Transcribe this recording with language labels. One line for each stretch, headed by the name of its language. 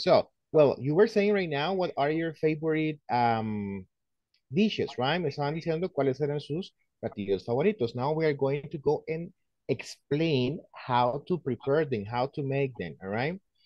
English: So, well, you were saying right now, what are your favorite dishes, right?
Spanish: Me estaban diciendo cuáles eran sus platillos favoritos.
English: Now we are going to go and explain how to prepare them, how to make them, all right?